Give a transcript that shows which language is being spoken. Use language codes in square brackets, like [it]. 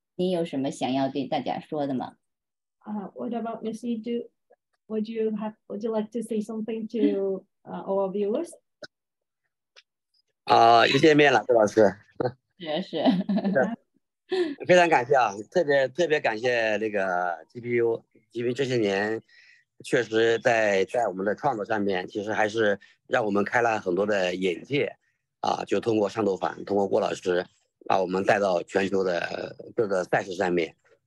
[zh] 谢谢，也谢谢李怀芬老师这么多年的支持。一都老师，您有什么想要对大家说的吗？ [en] What about Ms. Yidu? Would you like to say something to our viewers? [zh] 又见面了，周老师。是。非常感谢啊，特别感谢那个 GPU 这些年确实在我们的创作上面，其实还是让我们开了很多的眼界啊，就通过上头坊，通过郭老师把我们带到全球的各个赛事上面。